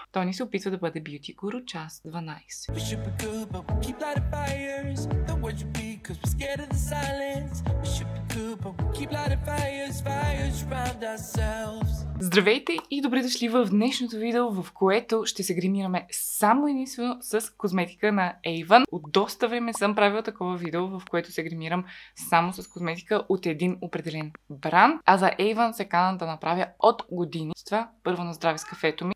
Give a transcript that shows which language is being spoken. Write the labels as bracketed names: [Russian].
[Bulgarian] Той ни се опитва да бъде бюти гуру, част 12. [English] We should be good, but we keep lighting fires. Don't worry about me, cause we're scared of the silence. We should be good, but we keep lighting fires. Fires around ourselves. [Bulgarian] Здравейте и добре дошли в днешното видео, в което ще се гримираме само единствено с козметика на Avon. От доста време съм правила такова видео, в което се гримирам само с козметика от един определен бранд. А за Avon се кана да направя от години. С това първо на здраве с кафето ми.